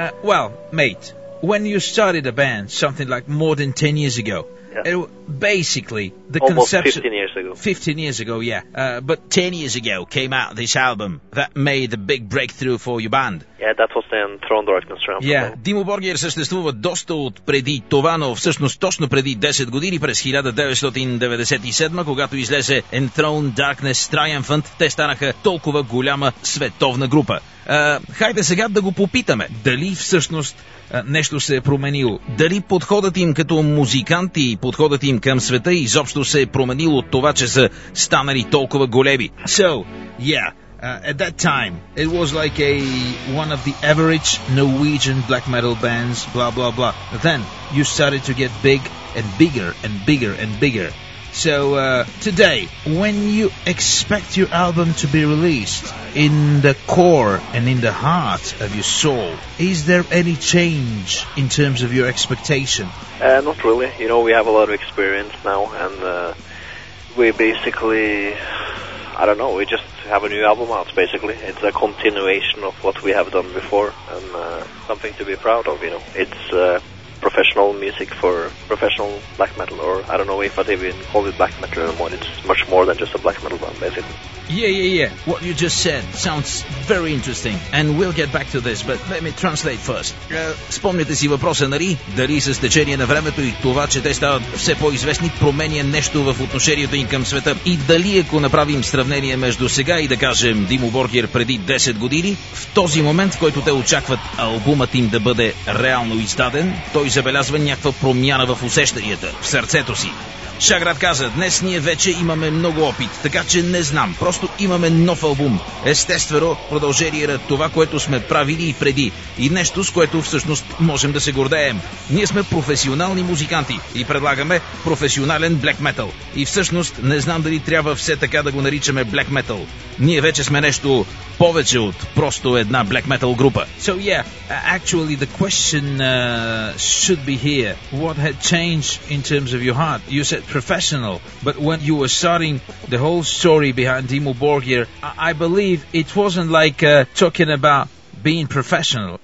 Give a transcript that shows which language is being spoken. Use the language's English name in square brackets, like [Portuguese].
[English] Well, mate, when you started a band something like more than 10 years ago, yeah. Basically, the almost conception... 15 years ago. 15 years ago, yeah. But 10 years ago came out this album that made a big breakthrough for your band. Yeah, that was then Throne Darkness Realm. [Bulgarian] Yeah, Димо Боргиер съществува доста от преди това, но всъщност точно преди 10 години, през 1997, когато излезе Enthroned Darkness Triumphant, те станаха толкова голяма световна група. Хайде сега да го попитаме, дали всъщност нещо се е променило. Дали подходът им като музиканти и подходът им към света изобщо се е променил от това, че са станали толкова големи. [English] So, yeah, at that time, it was like a one of the average Norwegian black metal bands, blah, blah, blah. But then, you started to get big and bigger and bigger and bigger. So, today, when you expect your album to be released in the core and in the heart of your soul, is there any change in terms of your expectation? Not really. You know, we have a lot of experience now, and we basically, I don't know, we just have a new album out, basically. It's a continuation of what we have done before, and something to be proud of, you know. It's professional music for professional black metal, or I don't know if I'd even call it black metal anymore. It's much more than just a black metal band, basically. Yeah, yeah, yeah. What you just said sounds very interesting, and we'll get back to this, but let me translate first. [Bulgarian] Спомняте си въпроса, нали? Дали с течение на времето и това, че те стават все по-известни, променя нещо в отношението им към света? И дали, ако направим сравнение между сега и, да кажем, Димо Боргиер преди 10 години, в този момент, в който те очакват албумът им да бъде реално издаден, той забелязва някаква промяна в усещанията, в сърцето си. Шаград каза, днес ние вече имаме много опит, така че не знам, просто имаме нов албум. Естествено, продължение на това, което сме правили и преди. И нещо, с което всъщност можем да се гордеем. Ние сме професионални музиканти и предлагаме професионален black metal. И всъщност, не знам дали трябва все така да го наричаме black metal. Ние вече сме нещо повече от просто една black metal група. [English] So yeah, actually the question should be here. What had changed in terms of your heart? You said professional, but when you were starting the whole story behind Dimmu Borgir, I believe it wasn't like talking about being professional.